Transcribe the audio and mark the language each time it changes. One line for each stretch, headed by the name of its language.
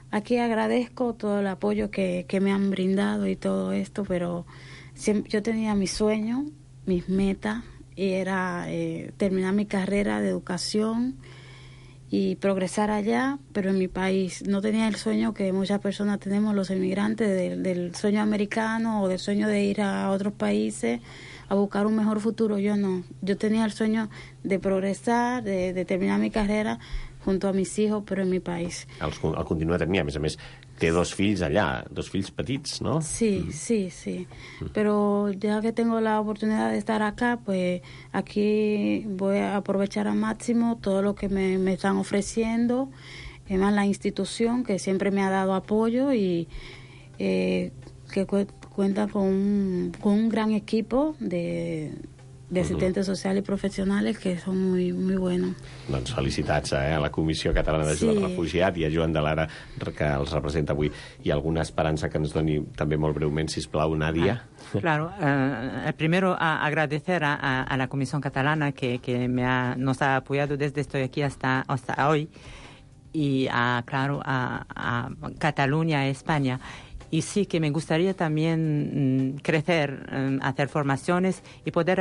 Spanish: Aquí agradezco todo el apoyo que me han brindado y todo esto, pero siempre, yo tenía mi sueño, mis metas, y era terminar mi carrera de educación y progresar allá, pero en mi país. No tenía el sueño que muchas personas tenemos, los inmigrantes, del sueño americano o del sueño de ir a otros países a buscar un mejor futuro. Yo no. Yo tenía el sueño de progresar, de terminar mi carrera junto a mis hijos, pero en mi país.
Catalan: El continua tenia, a més, té dos fills allà, dos fills petits, no?
Spanish: Sí, sí, sí. Pero ya que tengo la oportunidad de estar acá, pues aquí voy a aprovechar al máximo todo lo que me están ofreciendo, además la institución que siempre me ha dado apoyo y que cuenta con un gran equipo
Catalan: de assistentes socials i professionals que són molt, molt bons. Doncs felicitats a la Comissió Catalana d'Ajuda al Refugiat i a Joan de Lara, que els representa avui. I alguna esperança que ens doni també molt breument, sisplau, Nadia?
Spanish: Claro, primero agradecer a la Comisión Catalana que me ha, nos ha apoyado desde estoy aquí hasta hoy y claro, a Cataluña, a España. Y sí que me gustaría también crecer, hacer formaciones y poder ayudar.